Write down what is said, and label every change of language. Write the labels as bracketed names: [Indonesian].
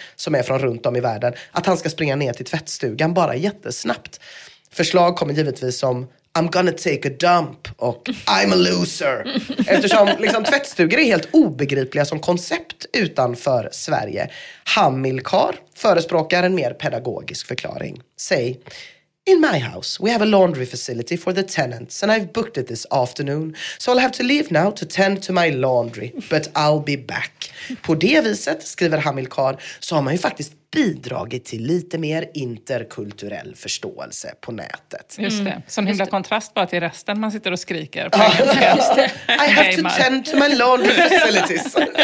[Swedish] Som är från runt om i världen. Att han ska springa ner till tvättstugan bara jättesnabbt. Förslag kommer givetvis som [English] "I'm gonna take a dump" [Swedish] och [English] "I'm a loser". [Swedish] Eftersom liksom, tvättstugor är helt obegripliga som koncept utanför Sverige. Hamilkar förespråkar en mer pedagogisk förklaring. Säg, [English] "In my house we have a laundry facility for the tenants and I've booked it this afternoon. So I'll have to leave now to tend to my laundry, but I'll be back." [Swedish] På det viset, skriver Hamilkar, så har man ju faktiskt bidragit till lite mer interkulturell förståelse på nätet. Just det, som himla kontrast bara till resten man sitter och skriker. På [English] "I have to tend to my laundry facilities."